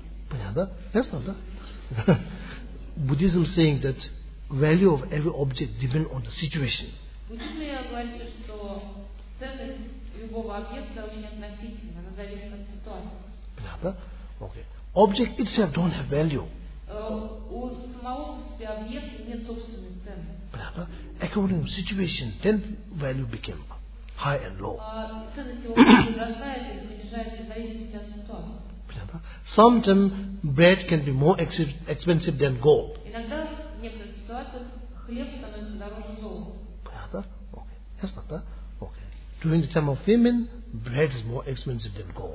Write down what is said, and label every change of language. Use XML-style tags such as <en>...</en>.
<ru>Понятно, да? Ясно, да? Буддизм</ru> <en>saying that value of every object depends on the situation.</en> <ru>Буддизм я говорю, что ценность любого объекта очень относительно, оно зависит от ситуации.</ru> <en>Да? Okay. Object itself don't have value.</en> <ru>У самого себя объекта нет собственной ценности. Да?</ru> <en>According to situation, then value became high and low.</en> <ru>Ценность его возрастает и снижается в зависимости от ситуации. Да?</ru> <en>Sometimes bread can be more expensive than gold.</en> <ru>Иногда в некоторых ситуациях хлеб становится дороже золота. Да? Okay. Ясно, да?</ru> <en>During the time of famine, bread is more expensive than gold.</en>